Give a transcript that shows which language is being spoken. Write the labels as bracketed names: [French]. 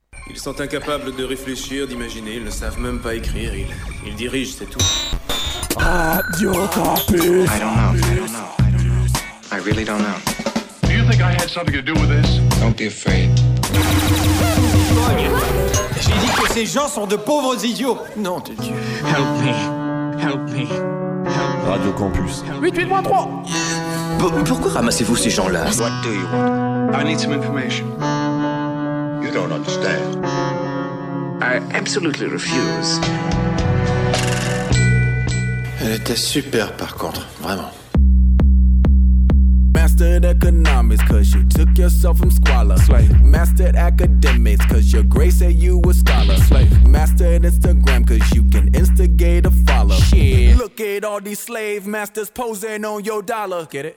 [French] Ils sont incapables de réfléchir, d'imaginer, ils ne savent même pas écrire, ils dirigent, c'est tout. Radio Campus. [English] I don't know. I really don't know. Do you think I had something to do with this? Don't be afraid. [French] J'ai dit que ces gens sont de pauvres idiots. Non, t'es Dieu. [English] Help me. Help me. Help me. Radio Campus. 8-8-3. [French] Pourquoi ramassez-vous ces gens-là? [English] What do you want? I need some information. You don't understand. I absolutely refuse. [French] Elle était super par contre, vraiment. [English] Mastered economics, cause you took yourself from squalor. Slave. Mastered academics, cause your grace said you were scholar. Slave. Mastered Instagram, cause you can instigate a follow. Shit. Look at all these slave masters posing on your dollar. Get it?